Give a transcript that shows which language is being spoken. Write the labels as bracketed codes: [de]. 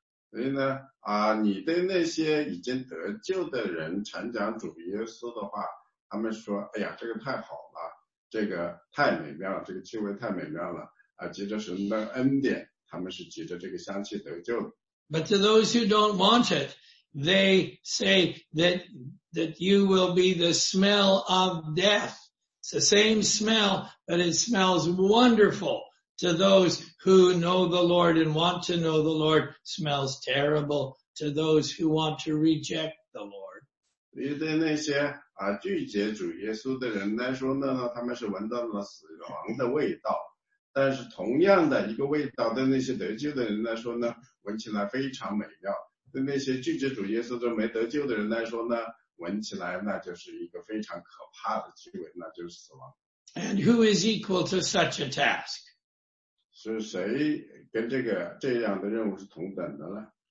[zh] 所以呢，你对那些已经得救的人传讲主耶稣的话，他们说，哎呀，这个太好了，这个太美妙了，这个气味太美妙了。藉着神的恩典，他们是藉着这个香气得救的。 [en] But to those who don't want it, they say that you will be the smell of death. It's the same smell, but it smells wonderful to those who know the Lord and want to know the Lord. Smells terrible to those who want to reject the Lord. [zh] 对于那些拒绝主耶稣的人来说呢，他们是闻到了死亡的味道。但是同样的一个味道对那些得救的人来说呢，闻起来非常美妙。对那些拒绝主耶稣都没得救的人来说呢，闻起来那就是一个非常可怕的气味，那就是死亡。 [en] And who is equal to such a task? [zh] 是谁跟这样的任务是同等的呢？